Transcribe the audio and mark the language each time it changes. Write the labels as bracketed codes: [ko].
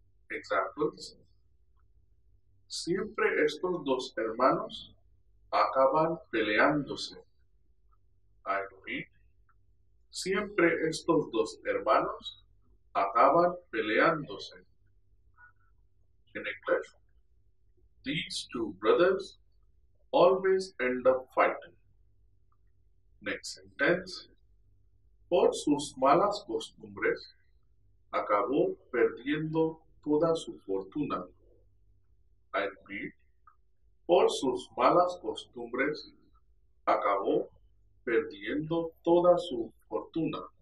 [en] Examples: [es] Siempre estos dos hermanos acaban peleándose. [en] I repeat, [es] siempre estos dos hermanos acaban peleándose. [en] In English, these two brothers always end up fighting. Next sentence. [es] Por sus malas costumbres, acabó perdiendo toda su fortuna. [en] I repeat, [es] por sus malas costumbres, acabó perdiendo toda su fortuna.